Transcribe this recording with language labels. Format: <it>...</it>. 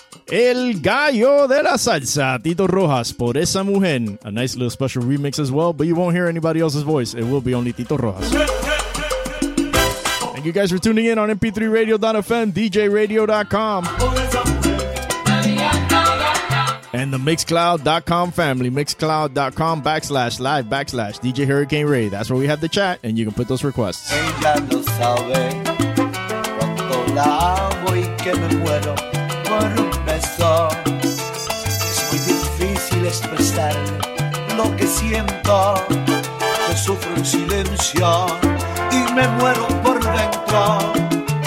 <es>El Gallo de la Salsa, Tito Rojas, Por Esa Mujer.</es> <en>A nice little special remix as well, but you won't hear anybody else's voice. It will be only Tito Rojas. Thank you guys for tuning in on mp3radio.fm, djradio.com, and the Mixcloud.com family, mixcloud.com/live/DJHurricaneRay. That's where we have the chat, and you can put those requests.</en> <es>Ella no sabe cuánto la amo y que me muero por un beso. Es muy difícil expresarle lo que siento. Yo sufro en silencio y me muero por dentro.</es>